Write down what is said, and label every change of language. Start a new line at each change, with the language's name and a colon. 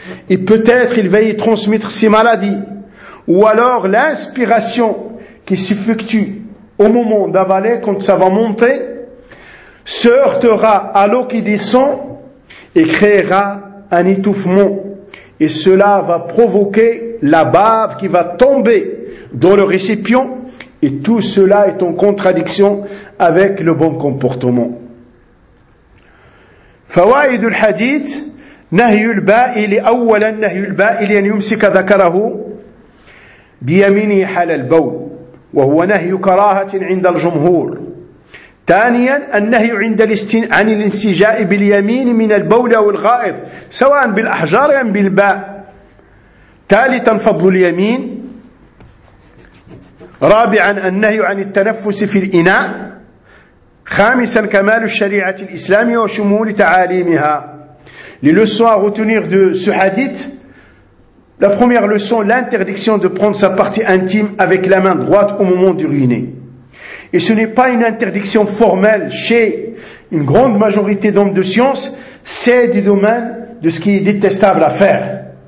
French: Et peut-être il va y transmettre ses maladies. Ou alors l'inspiration qui s'effectue au moment d'avaler, quand ça va monter, se heurtera à l'eau qui descend et créera un étouffement, et cela va provoquer la bave qui va tomber dans le récipient, et tout cela est en contradiction avec le bon comportement.
Arabic: فوائد الحديث نهي البائل أولا نهي البائل أن يمسك ذكره بيمينه حال البول وهو نهي كراهة عند الجمهور ثانيا النهي عند عن الاستنجاء باليمين من البول أو الغائط سواء بالأحجار أم بالباء ثالثا فضل اليمين رابعا النهي عن التنفس في الإناء خامسا كمال الشريعة الإسلامية وشمول تعاليمها.
French: Les leçons à retenir de ce hadith, La première leçon, l'interdiction de prendre sa partie intime avec la main droite au moment d'uriner. Et ce n'est pas une interdiction formelle chez une grande majorité d'hommes de science, c'est du domaine de ce qui est détestable à faire.